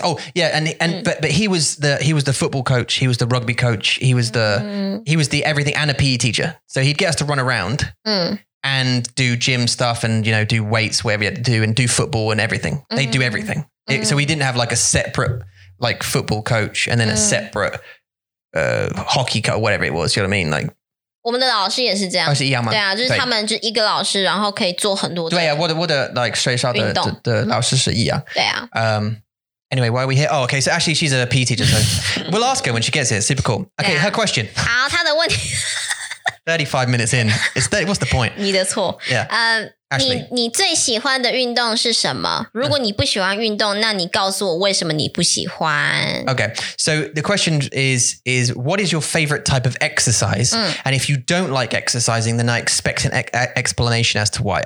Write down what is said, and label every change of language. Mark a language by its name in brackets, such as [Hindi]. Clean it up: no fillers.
[English] Oh, yeah, but he was the football coach, he was the rugby coach, he was the everything and a PE teacher. So he'd get us to run around, and do gym stuff and, you know, do weights, whatever you had to do, and do football and everything. Mm-hmm. They do everything. Mm-hmm. So we didn't have like a separate like football coach and then a separate hockey coach, whatever it was. You know what I mean? Like, [Chinese] 我们的老师也是这样，对啊，就是他们就一个老师，然后可以做很多。对啊，我的老师是一样。对啊。 [English] Anyway, why are we here? Oh, okay. So actually, she's a PE teacher. So we'll ask her when she gets here. Super cool. Okay, her question. [Chinese] 好，她的问题。 [English] 35 minutes in. What's the point? [Chinese] 你的错。 [English] Yeah. [Chinese] 你最喜欢的运动是什么？如果你不喜欢运动，那你告诉我为什么你不喜欢。 [English] Okay. So the question is what is your favorite type of exercise? And if you don't like exercising, then I expect an explanation as to why.